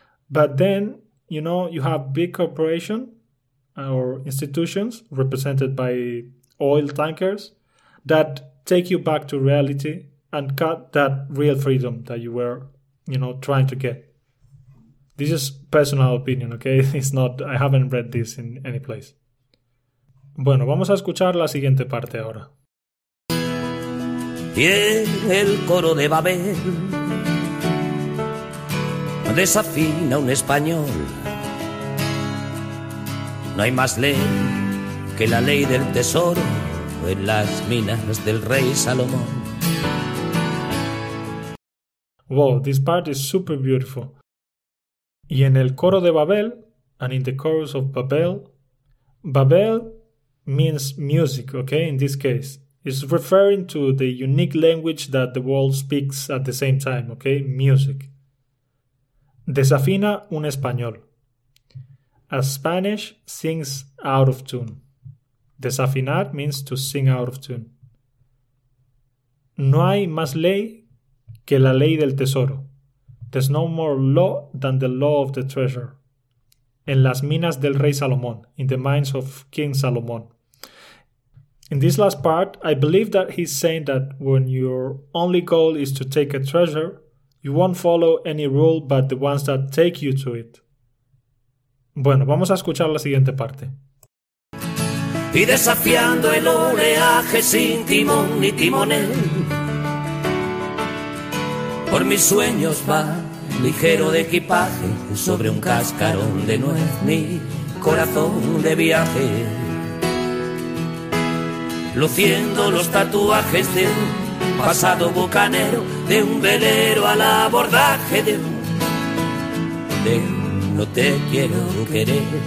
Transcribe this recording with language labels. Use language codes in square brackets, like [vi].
[en] But then, you know, you have big corporation or institutions represented by oil tankers that take you back to reality and cut that real freedom that you were, you know, trying to get. This is personal opinion, okay? It's not, I haven't read this in any place. [es] Bueno, vamos a escuchar la siguiente parte ahora. Y el coro de Babel desafina un español. No hay más ley que la ley del tesoro en las minas del rey Salomón. [en] Wow, this part is super beautiful. [es] Y en el coro de Babel, [en] and in the chorus of Babel, Babel means music, okay, in this case. It's referring to the unique language that the world speaks at the same time, okay, music. [es] Desafina un español. [en] A Spanish sings out of tune. Desafinar means to sing out of tune. [es] No hay más ley que la ley del tesoro. [en] There's no more law than the law of the treasure. [es] En las minas del rey Salomón, [en] in the mines of King Salomón. In this last part, I believe that he's saying that when your only goal is to take a treasure, you won't follow any rule but the ones that take you to it. [es] Bueno, vamos a escuchar la siguiente parte. Y desafiando el oleaje sin timón ni timonel, por mis sueños va ligero de equipaje sobre un cascarón de nuez mi corazón de viaje, luciendo los tatuajes de un pasado bucanero, de un velero al abordaje de un no te quiero querer.